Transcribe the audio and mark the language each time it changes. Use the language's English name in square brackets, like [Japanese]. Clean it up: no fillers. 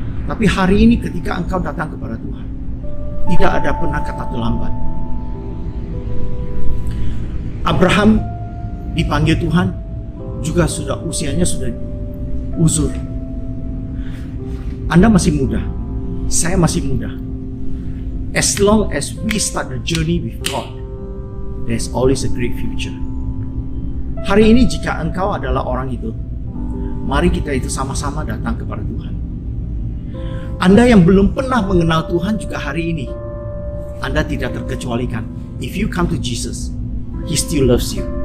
[Indonesian] Tapi hari ini ketika engkau datang kepada Tuhan, tidak ada pernah kata terlambat. Abraham dipanggil Tuhan juga sudah usianya sudah uzur. Anda masih muda, saya masih muda. [English] As long as we start the journey with God, there's always a great future. [Indonesian] Hari ini jika engkau adalah orang itu, mari kita itu sama-sama datang kepada Tuhan. Anda yang belum pernah mengenal Tuhan juga hari ini, Anda tidak terkecualikan. [English] if you come to Jesus, He still loves you.